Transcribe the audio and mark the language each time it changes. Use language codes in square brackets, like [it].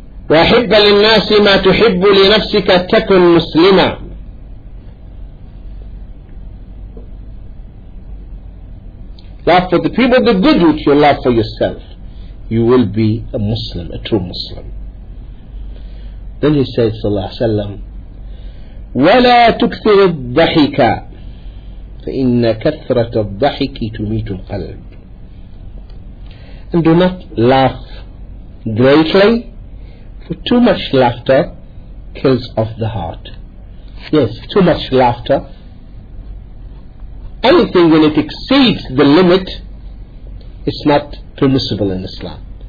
[ar] وأحب للناس ما تحب لنفسك تكن مسلما. [en] Love for the people the good which you love for yourself, you will be a Muslim, a true Muslim. Then he says, صلى الله عليه وسلم, [ar] ولا تكثر الضحك فإن كثرة الضحك تميت القلب. [en] And do not laugh greatly, for too much laughter kills off the heart. Yes, too much laughter. Anything when it exceeds the limit, it's not permissible in Islam.